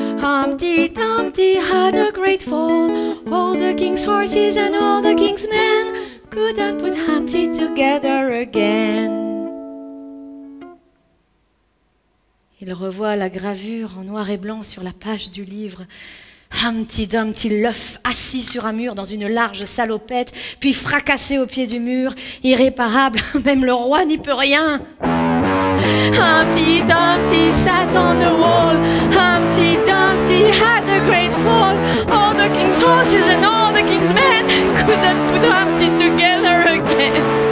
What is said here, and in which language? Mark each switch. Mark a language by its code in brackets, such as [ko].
[en] Humpty Dumpty had a great fall. All the king's horses and all the king's men couldn't put Humpty together again. [fr] Il revoit la gravure en noir et blanc sur la page du livre. Humpty Dumpty, l'œuf assis sur un mur dans une large salopette, puis fracassé au pied du mur, irréparable, même le roi n'y peut rien. [en] Humpty Dumpty sat on the wall. Humpty Dumpty had a great fall. All the king's horses and all the king's men couldn't put Humpty together again.